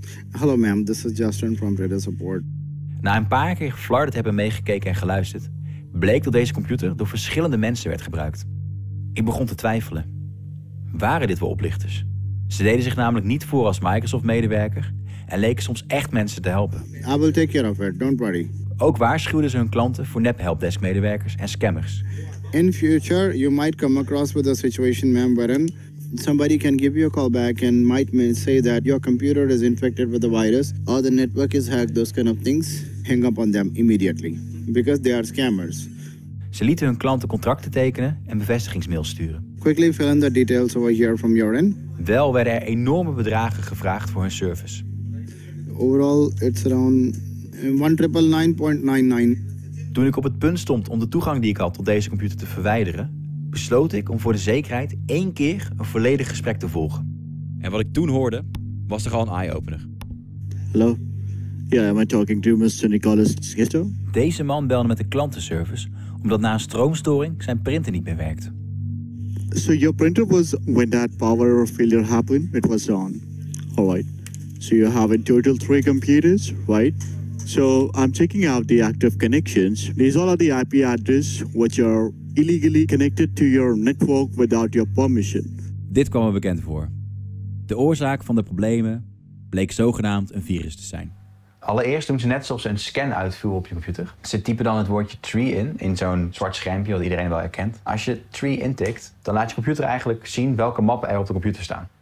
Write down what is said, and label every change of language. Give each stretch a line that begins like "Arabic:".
English: Hello ma'am, this is Justin from Printer Support.
Dutch: Na een paar keer geflarderd hebben meegekeken en geluisterd, bleek dat deze computer door verschillende mensen werd gebruikt. Ik begon te twijfelen. Waren dit wel oplichters? Ze deden zich namelijk niet voor als Microsoft-medewerker en leken soms echt mensen te helpen.
English: I will take care of it, don't worry.
Dutch: Ook waarschuwden ze hun klanten voor nep-helpdesk-medewerkers en scammers.
English: In future, you might come across with a situation, ma'am, wherein somebody can give you a call back and might say that your computer is infected with the virus or the network is hacked, those kind of things, hang up on them immediately. Because they are scammers.
Dutch: Ze lieten hun klanten contracten tekenen en bevestigingsmails sturen.
English: Quickly fill in the details over here from your end.
Dutch: Wel werden er enorme bedragen gevraagd voor hun service.
English: Overall, it's around 1999.
Dutch: Toen ik op het punt stond om de toegang die ik had tot deze computer te verwijderen, besloot ik om voor de zekerheid één keer een volledig gesprek te volgen. En wat ik toen hoorde, was er al een eye-opener.
English: Hallo? Ja, am I talking to Mr. Nicholas Schitto?
Dutch: Deze man belde met de klantenservice, omdat na een stroomstoring zijn printer niet meer werkte.
English: So your printer was, when that power failure happened, it was on. All right. So you have in total 3 computers, right? So I'm checking out the active connections. These all are the IP addresses which are illegally connected to your network without your permission.
Dutch: Dit kwam me bekend voor. De oorzaak van de problemen bleek zogenaamd een virus te zijn. Allereerst doen ze net zoals ze een scan uitvoeren op je computer. Ze typen dan het woordje tree in zo'n zwart schermpje dat iedereen wel herkent. Als je tree intikt, dan laat je computer eigenlijk zien welke mappen er op de computer staan.